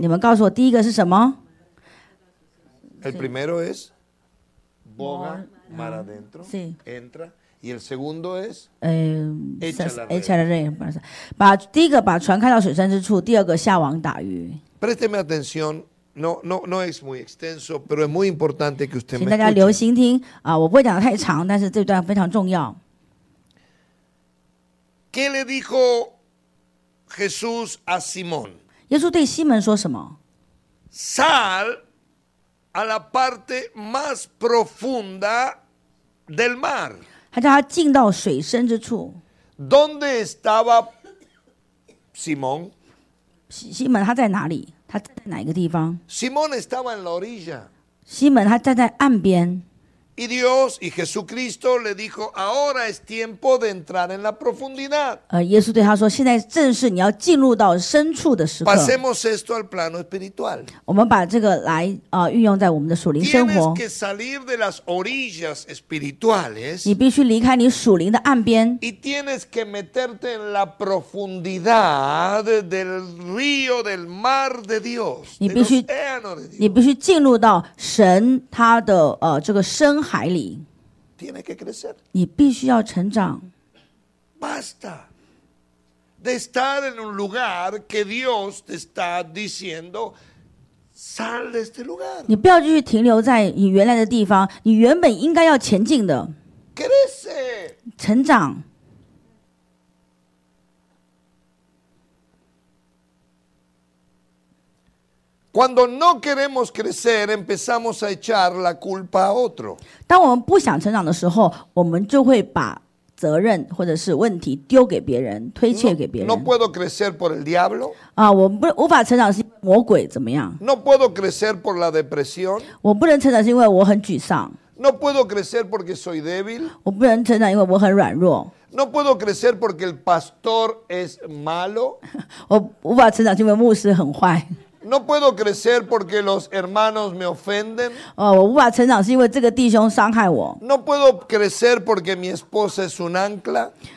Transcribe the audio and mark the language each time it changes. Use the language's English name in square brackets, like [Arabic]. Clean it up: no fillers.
[Chinese] 你们告诉我第一个是什么？ [Spanish] El primero es boga mar adentro, entra. Y el segundo es echa la red. [Chinese] 把第一个把船开到水深之处，第二个下网打鱼。 [Spanish] Présteme atención. No es muy extenso, pero es muy importante que usted me escuche. [Chinese] 请大家留心听啊，我不会讲得太长，但是这段非常重要。 [Spanish] ¿Qué le dijo Jesús a Simón? [Chinese] 耶稣对西门说什么？ [Spanish] Sal a la parte más profunda del mar. [Chinese] 他叫他进到水深之处。 [Spanish] ¿Dónde estaba Simón? [Chinese] 西门他在哪里？他站在哪一个地方？ [Spanish] Simón estaba en la orilla. [Chinese] 西门他站在岸边。 [Spanish] Y Dios y Jesucristo le dijo, ahora es tiempo de entrar en la profundidad. [Chinese] 耶稣对他说，现在正是你要进入到深处的时刻。 [Spanish] Pasemos esto al plano espiritual. [Chinese] 我们把这个来运用在我们的属灵生活。 [Spanish] Tienes que salir de las orillas espirituales. [Chinese] 你必须离开你属灵的岸边。 [Spanish] Y tienes que meterte en la profundidad del río del mar de Dios. [Chinese] 你必须进入到神他的这个深海里， [Spanish] tiene que crecer. [Chinese] 你必须要成长。 [Spanish] Basta de estar en un lugar que Dios te está diciendo, sal de este lugar. [Chinese] 你不要继续停留在你原来的地方，你原本应该要前进的。 [Spanish] Crece. [Chinese] 成长。 [Spanish] Cuando no queremos crecer, empezamos a echar la culpa a otro. [Chinese] 当我们不想成长的时候，我们就会把责任或者是问题丢给别人，推卸给别人。 [Spanish] No puedo crecer por el diablo. [Chinese] 我不无法成长是魔鬼怎么样 [Spanish] ？No puedo crecer por la depresión. [Chinese] 我不能成长是因为我很沮丧。 [Spanish] No puedo crecer porque soy débil. [Chinese] 我不能成长因为我很软弱。 [Spanish] No puedo crecer porque el pastor es malo. [Chinese] 我无法成长是因为牧师很坏。 [Spanish] No puedo crecer porque los hermanos me ofenden. [Chinese] 我无法成长是因为这个弟兄伤害我。 [Spanish] No puedo crecer porque mi esposa es un ancla.